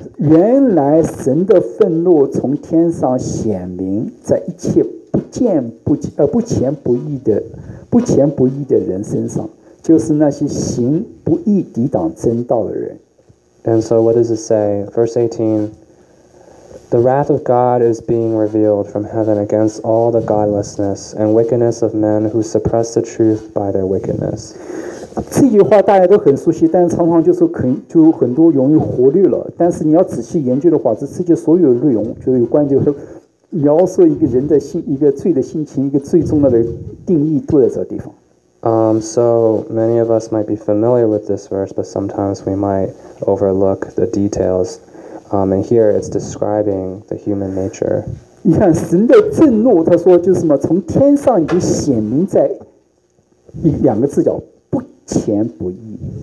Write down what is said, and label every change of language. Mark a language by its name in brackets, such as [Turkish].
[Chinese] 原来神的愤怒从天上显明，在一切不见不不前不义的人身上，就是那些行不义抵挡真道的人。 [English] And so what does it say? Verse 18, the wrath of God is being revealed from heaven against all the godlessness and wickedness of men who suppress the truth by their wickedness. [Chinese] 这句话大家都很熟悉，但常常就是很就很多容易忽略了。但是你要仔细研究的话，这世界所有的内容就是有关就是描述一个人的心，一个罪的心情，一个最重要的定义都在这地方。 [English] So many of us might be familiar with this verse, but sometimes we might overlook the details. And here it's describing the human nature. [Chinese] 你看神的震怒，他说就是什么，从天上已经显明在两个字叫不前不义。